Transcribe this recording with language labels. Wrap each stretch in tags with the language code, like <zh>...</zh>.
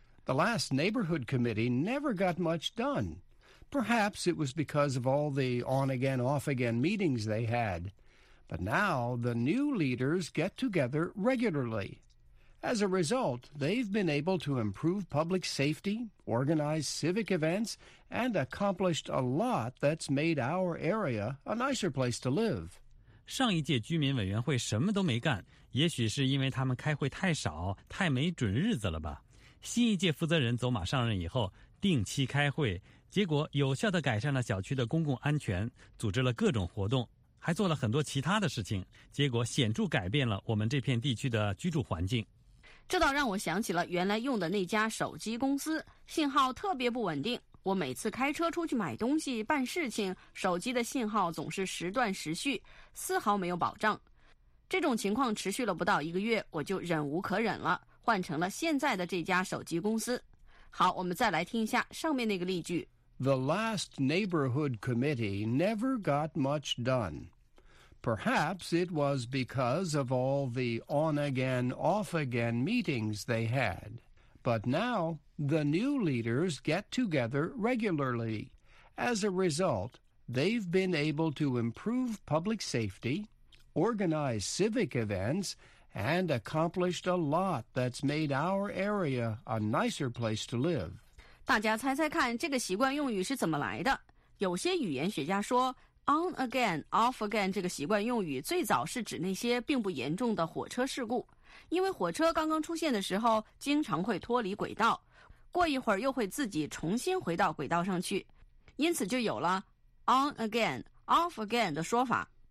<en>The last neighborhood committee never got much done. Perhaps it was because of all the on-again, off-again meetings they had. But now the new leaders get together regularly. As a result, they've been able to improve public safety, organize civic events, and accomplished a lot that's made our area a nicer place to live.</en> <zh>上一届居民委员会什么都没干，也许是因为他们开会太少，太没准日子了吧。新一届负责人走马上任以后，定期开会，结果有效地改善了小区的公共安全，组织了各种活动，还做了很多其他的事情，结果显著改变了我们这片地区的居住环境。这倒让我想起了原来用的那家手机公司，信号特别不稳定，我每次开车出去买东西办事情，手机的信号总是时断时续，丝毫没有保障。这种情况持续了不到一个月，我就忍无可忍了，换成了现在的这家手机公司。好，我们再来听一下上面那个例句。</zh> <en>The last neighborhood committee never got much done. Perhaps it was because of all the on-again, off-again meetings they had. But now, the new leaders get together regularly. As a result, they've been able to improve public safety, organize civic events,and accomplished a lot that's made our area a nicer place to live.</en> <zh>大家猜猜看这个习惯用语是怎么来的？有些语言学家说</zh> <en>on again, off again</en> <zh>这个习惯用语最早是指那些并不严重的火车事故，因为火车刚刚出现的时候经常会脱离轨道，过一会儿又会自己重新回到轨道上去，因此就有了 on again, off again 的说法。</zh>